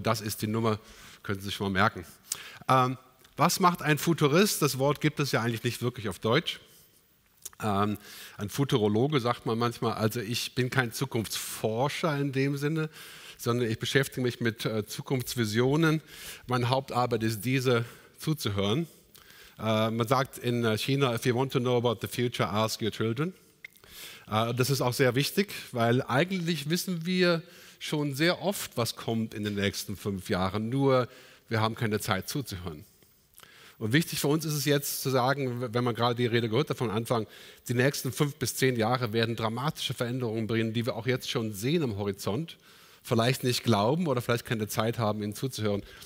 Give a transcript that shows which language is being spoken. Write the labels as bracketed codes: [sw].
[de] Das ist die Nummer, können Sie sich mal merken. Was macht ein Futurist? Das Wort gibt es ja eigentlich nicht wirklich auf Deutsch. Ein Futurologe sagt man manchmal, also ich bin kein Zukunftsforscher in dem Sinne, sondern ich beschäftige mich mit Zukunftsvisionen. Meine Hauptarbeit ist diese, zuzuhören. Man sagt in China, [en] if you want to know about the future, ask your children. [de] Das ist auch sehr wichtig, weil eigentlich wissen wir schon sehr oft, was kommt in den nächsten 5 Jahren, nur wir haben keine Zeit zuzuhören. Und wichtig für uns ist es jetzt zu sagen, wenn man gerade die Rede gehört hat von Anfang, die nächsten 5 bis 10 Jahre werden dramatische Veränderungen bringen, die wir auch jetzt schon sehen am Horizont, vielleicht nicht glauben oder vielleicht keine Zeit haben, ihnen zuzuhören.